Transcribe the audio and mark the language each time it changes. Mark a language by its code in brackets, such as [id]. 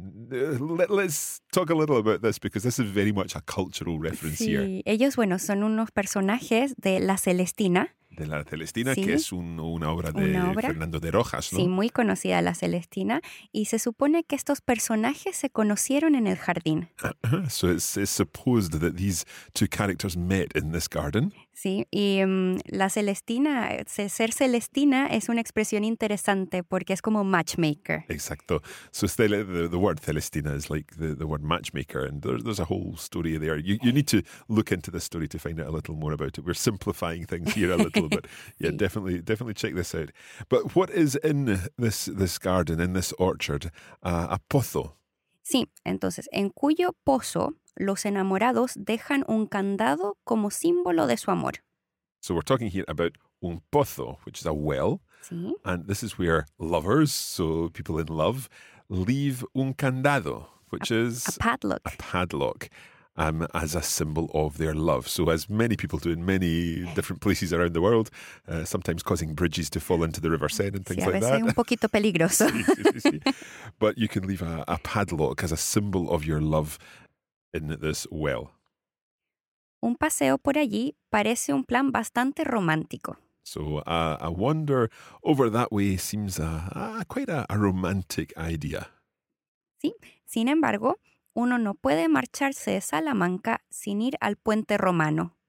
[en] Let's talk a little about this, because this is very much a cultural reference [es] sí. [en] here. [es] Ellos, bueno, son unos personajes de La Celestina. De La Celestina, sí. que es una obra de una obra. Fernando de Rojas, ¿no? Sí, muy conocida La Celestina. Y se supone que estos personajes se conocieron en el jardín. [en] So it's supposed that these two characters met in this garden. [es] Sí, y La Celestina, ser Celestina es una expresión interesante porque es como matchmaker. Exacto. [en] So the word Celestina is like the word matchmaker, and there's a whole story there. You need to look into the story to find out a little more about it. We're simplifying things here a little little bit. Yeah, sí. definitely check this out. But what is in this garden, in this orchard? [es] A pozo. Sí, entonces, en cuyo pozo los enamorados dejan un candado como símbolo de su amor. [en] So we're talking here about un pozo, which is a well. [es] Sí. [en] And this is where lovers, so people in love, leave un candado, which is a padlock. A padlock. As a symbol of their love. So as many people do in many different places around the world, sometimes causing bridges to fall into the River Seine and things [es] sí, a [en] like [es] veces [en] that. [es] Un poquito peligroso. Sí, sí, sí, sí. [en] But you can leave a padlock as a symbol of your love in this well. [es] Un paseo por allí parece un plan bastante romántico. [en] So a wander over that way seems quite a romantic idea. [es] Sí, sin embargo, uno no puede marcharse de Salamanca sin ir al puente romano.